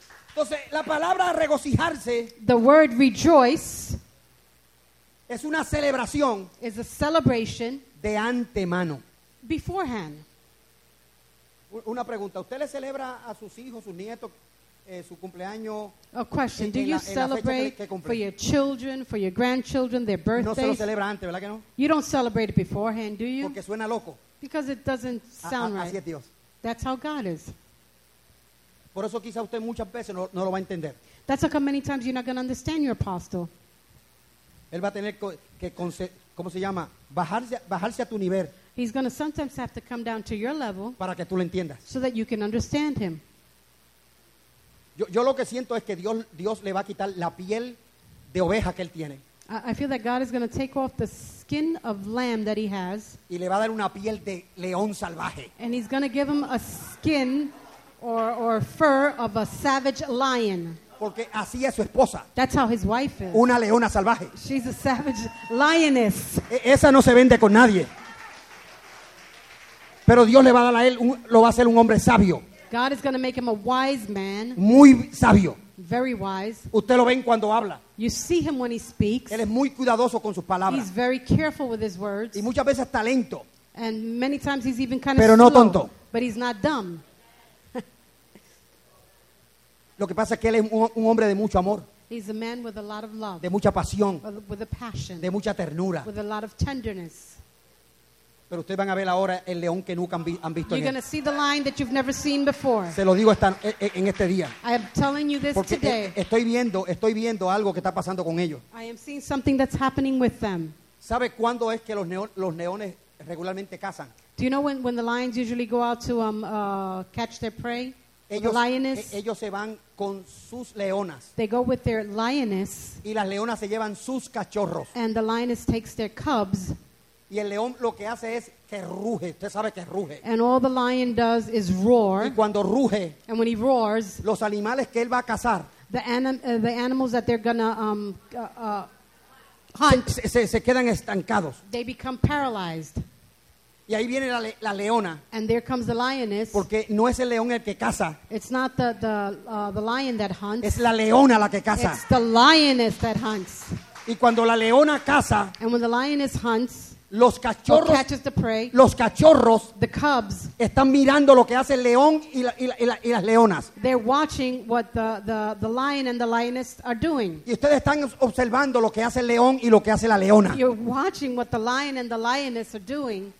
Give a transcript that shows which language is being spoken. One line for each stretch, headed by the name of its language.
Spanish: Entonces, la palabra regocijarse,
English: the word rejoice,
Spanish: es una celebración,
English: is a celebration,
Spanish: de antemano,
English: beforehand.
Spanish: Una pregunta, ¿usted le celebra a sus hijos, sus nietos, su cumpleaños?
English: A question, do you celebrate for your children, for your grandchildren, their birthdays?
Spanish: No se lo celebra antes, ¿verdad que no?
English: You don't celebrate it beforehand, do you?
Spanish: Porque suena loco.
English: Because it doesn't sound right.
Spanish: Así es Dios.
English: That's how God is.
Spanish: Por eso quizá usted muchas veces no lo va a entender.
English: That's how come many times you're not going to understand your apostle.
Spanish: Él va a tener que ¿cómo se llama? Bajarse a tu nivel.
English: He's going to sometimes have to come down to your level.
Spanish: Para que tú lo entiendas.
English: So that you can understand him.
Spanish: Yo lo que siento es que Dios le va a quitar la piel de oveja que él tiene.
English: I feel that God is going to take off the skin of lamb that he has.
Spanish: Y le va a dar una piel de león salvaje.
English: And he's going to give him a skin or fur of a savage lion.
Spanish: Porque así es su esposa.
English: That's how his wife is.
Spanish: Una leona salvaje.
English: She's a savage lioness.
Spanish: Esa no se vende con nadie. Pero Dios le va a dar a él, lo va a hacer un hombre sabio.
English: God is going to make him a wise man.
Spanish: Muy sabio.
English: Very wise.
Spanish: Usted lo ve cuando habla.
English: You see him when he speaks.
Spanish: Él es muy cuidadoso con sus palabras.
English: He's very careful with his words.
Spanish: Y muchas veces talento.
English: And many times he's even kind of
Spanish: pero no
English: slow,
Spanish: tonto.
English: But he's not dumb.
Spanish: Lo que pasa es que él es un hombre de mucho amor.
English: He's a man with a lot of love,
Spanish: de mucha pasión.
English: With a passion,
Spanish: de mucha ternura.
English: With a lot of tenderness.
Spanish: Pero ustedes van a ver ahora el león que nunca han visto.
English: You're going to see the lion that you've never seen before.
Spanish: Se lo digo en este día.
English: I am telling you this
Spanish: porque
English: today.
Spanish: Estoy viendo algo que está pasando con ellos.
English: I am seeing something that's happening with them.
Spanish: ¿Sabe cuándo es que los leones regularmente cazan?
English: Do you know when the lions usually go out to catch their prey?
Spanish: Ellos se van con sus leonas.
English: They go with their lioness.
Spanish: Y las leonas se llevan sus cachorros.
English: And the lioness takes their cubs.
Spanish: Y el león lo que hace es que ruge. Usted sabe que ruge.
English: And all the lion does is roar.
Spanish: Y cuando ruge,
English: and when he roars,
Spanish: los animales que él va a cazar,
English: the animals that they're gonna hunt,
Spanish: se quedan estancados.
English: They become paralyzed.
Spanish: Y ahí viene la leona.
English: And there comes the lioness.
Spanish: Porque no es el león el que caza.
English: It's not the lion that hunts.
Spanish: Es la leona la que caza.
English: It's the lioness that hunts.
Spanish: Y cuando la leona caza,
English: and when the lioness hunts,
Spanish: los cachorros,
English: or catches the prey,
Spanish: los cachorros,
English: the cubs,
Spanish: están mirando lo que hace el león y las leonas.
English: They're watching what the lion and the lioness are doing.
Spanish: Y ustedes están observando lo que hace el león y lo que hace la leona.
English: You're watching what the lion and the lioness are doing.